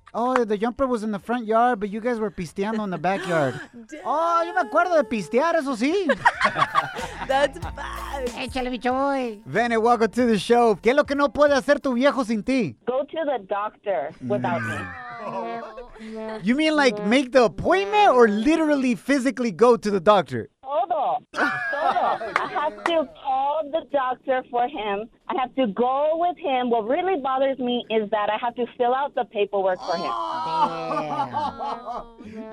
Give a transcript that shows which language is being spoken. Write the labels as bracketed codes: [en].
[en] Oh, the jumper was in the front yard, but you guys were pisteando in the backyard. [es] Oh, yo me acuerdo de pistear, eso sí. [en] That's bad. [es] Échale, mi chavoy. [en] Vene, welcome to the show. [es] ¿Qué es lo que no puede hacer tu viejo sin ti? [en] Go to the doctor without me. You mean like make the appointment or literally physically go to the doctor? I have to call the doctor for him. I have to go with him. What really bothers me is that I have to fill out the paperwork for him.